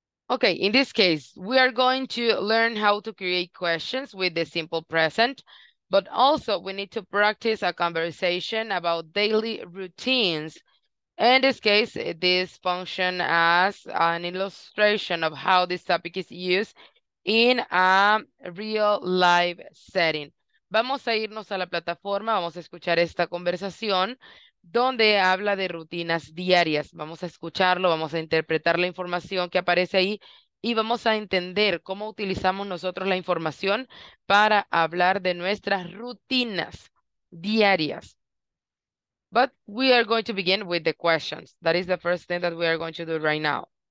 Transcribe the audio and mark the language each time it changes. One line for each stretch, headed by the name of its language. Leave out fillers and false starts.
English: Okay, in this case, we are going to learn how to create questions with the simple present, but also we need to practice a conversation about daily routines. In this case, this function as an illustration of how this topic is used in a real life setting.
Spanish: Vamos a irnos a la plataforma, vamos a escuchar esta conversación donde habla de rutinas diarias. Vamos a escucharlo, vamos a interpretar la información que aparece ahí y vamos a entender cómo utilizamos nosotros la información para hablar de nuestras rutinas diarias.
English: But we are going to begin with the questions. That is the first thing that we are going to do right now.